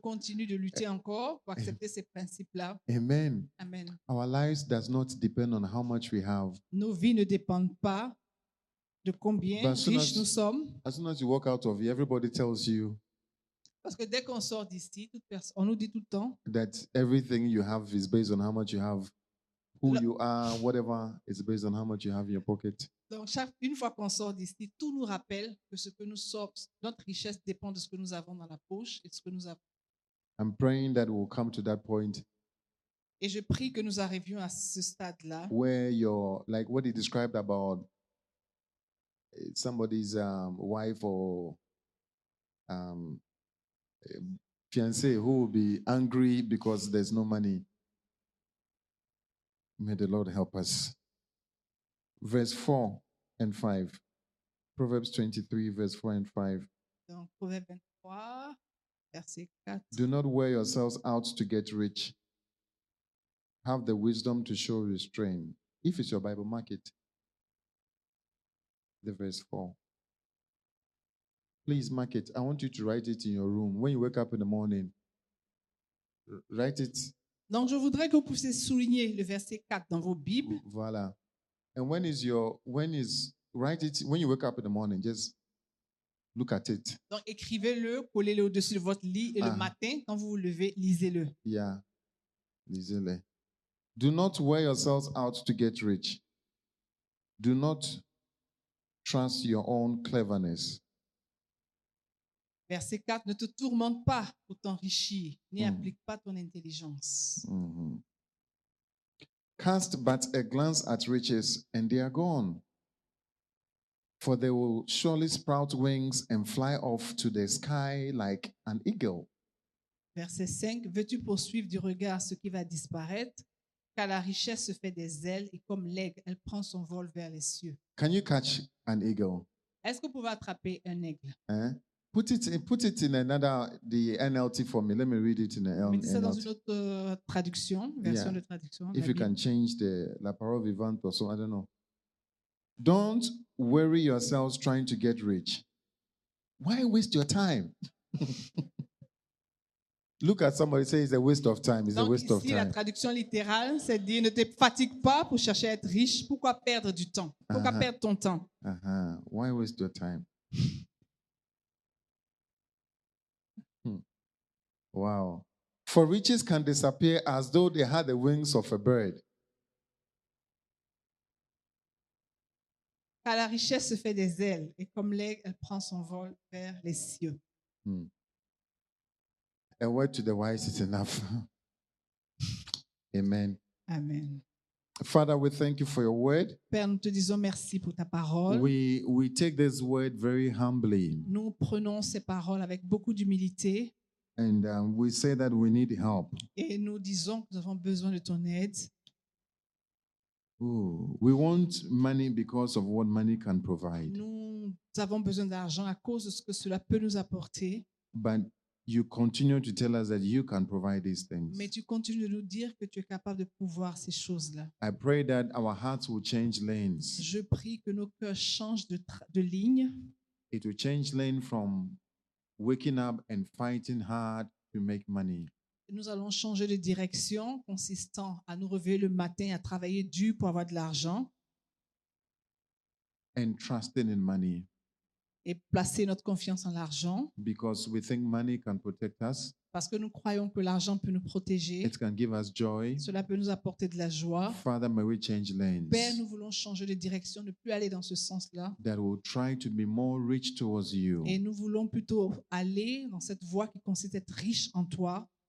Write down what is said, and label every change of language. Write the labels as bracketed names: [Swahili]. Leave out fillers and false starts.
[French] Continue de lutter encore pour accepter ces principes-là. Amen. Amen. [English] Our lives does not depend on how much we have. [French] Nos vies ne dépendent pas de combien riches nous sommes. [English] As soon as you walk out of here, everybody tells you. [French] Parce que dès qu'on sort d'ici, toute personne, on nous dit tout le temps. [English] That everything you have is based on how much you have. Who you are, whatever, is based on how much you have in your pocket. [French] Donc, chaque, une fois qu'on sort d'ici, tout nous rappelle que ce que nous sortons, notre richesse dépend de ce que nous avons dans la poche et de ce que nous avons. [English] I'm praying that we'll come to that point. [French] Et je prie que nous arrivions à ce stade-là. [English] Where your, like what he described about somebody's wife or fiancé who will be angry because there's no money. May the Lord help us. Verse 4 and 5. Proverbs 23, verse 4 and 5. [French] Donc, Proverbe 23, verset 4. [English] Do not wear yourselves out to get rich. Have the wisdom to show restraint. If it's your Bible, mark it. The verse 4. Please mark it. I want you to write it in your room. When you wake up in the morning, write it. [French] Donc, je voudrais que vous puissiez souligner le verset 4 dans vos Bibles. Voilà. [English] And when is your, when is, write it, when you wake up in the morning, just look at it. [French] Donc, écrivez-le, collez-le au-dessus de votre lit et le matin, quand vous vous levez, lisez-le. Yeah, lisez-le. [English] Do not wear yourselves out to get rich. Do not trust your own cleverness. [French] Verset 4, ne te tourmente pas pour t'enrichir, n'y applique pas ton intelligence. Mm-hmm. [English] Cast but a glance at riches, and they are gone. For they will surely sprout wings and fly off to the sky like an eagle. [French] Verset 5, veux-tu poursuivre du regard ce qui va disparaître? Car la richesse se fait des ailes, et comme l'aigle, elle prend son vol vers les cieux. [English] Can you catch an eagle? [French] Est-ce que vous pouvez attraper un aigle? Hein? [English] Put it in the NLT for me. Let me read it in the NLT. [French] Mettez ça dans une autre traduction, version de traduction. [English] If you can change the La Parole Vivante or so, I don't know. Don't worry yourselves trying to get rich. Why waste your time? Look at somebody, say it's a waste of time. It's [French] donc [English] a waste [French] ici, [English] of time. [French] La traduction littérale, c'est de dire ne te fatigue pas pour chercher à être riche. Pourquoi perdre du temps? Pourquoi perdre ton temps? [English] Uh-huh. Why waste your time? Wow. For riches can disappear as though they had the wings of a bird. [French] Car la richesse se fait des ailes, et comme l'aigle, elle prend son vol vers les cieux. [English] A word to the wise is enough. Amen. Amen. Father, we thank you for your word. [French] Père, nous te disons merci pour ta parole. [English] We take this word very humbly. [French] Nous prenons ces paroles avec beaucoup d'humilité. [English] And we say that we need help. [French] Et nous disons que nous avons besoin de ton aide. [English] Ooh, we want money because of what money can provide. [French] Nous avons besoin d'argent à cause de ce que cela peut nous apporter. [English] But you continue to tell us that you can provide these things. [French] Mais tu continues de nous dire que tu es capable de pouvoir ces choses-là. [English] I pray that our hearts will change lanes. [French] Je prie que nos cœurs changent de ligne. [English] It will change lane from waking up and fighting hard to make money. [French] Nous allons changer de direction consistant à nous réveiller le matin à travailler dur pour avoir de l'argent. [English] And trusting in money. [French] Et placer notre confiance en l'argent. [English] Because we think money can protect us. [French] Parce que nous croyons que l'argent peut nous protéger. [English] It can give us joy. [French] Cela peut nous apporter de la joie. [English] Father, may we change lanes. [French] Père, nous voulons changer de direction, ne plus aller dans ce sens-là. [English] That will try to be more rich towards you. [French] Et nous voulons plutôt aller dans cette voie qui consiste à être riche en toi.